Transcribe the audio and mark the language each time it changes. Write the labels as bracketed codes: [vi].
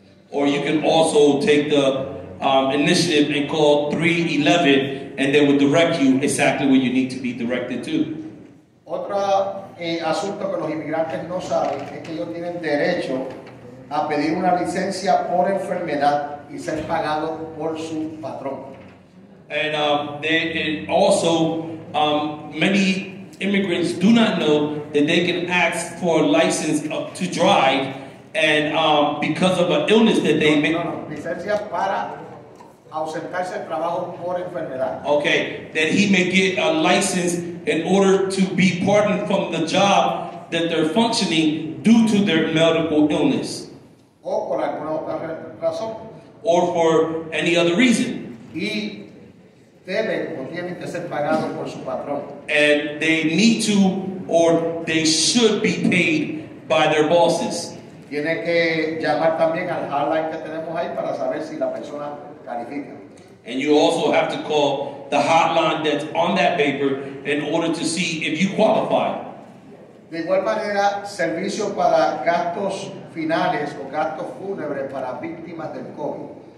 [en] Or you can also take the initiative and call 311, and they will direct you exactly where you need to be directed to. [es] Otro asunto que los inmigrantes no saben es que ellos tienen derecho a pedir una licencia por enfermedad y ser pagado por su patrón. [en] And they and also many immigrants do not know that they can ask for a license to drive. And because of an illness that they may... [es] Licencia para ausentarse del trabajo por enfermedad. [en] Okay, that he may get a license in order to be pardoned from the job that they're functioning due to their medical illness. [es] O por alguna otra razón. [en] Or for any other reason. [es] Y debe o tiene que ser pagado por su patrón. [en] And they need to or they should be paid by their bosses. [es] Tiene que llamar también al hotline que tenemos ahí para saber si la persona califica. [en] And you also have to call the hotline that's on that paper in order to see if you qualify. [es] De igual manera, servicio para gastos finales o gastos fúnebres para víctimas del COVID.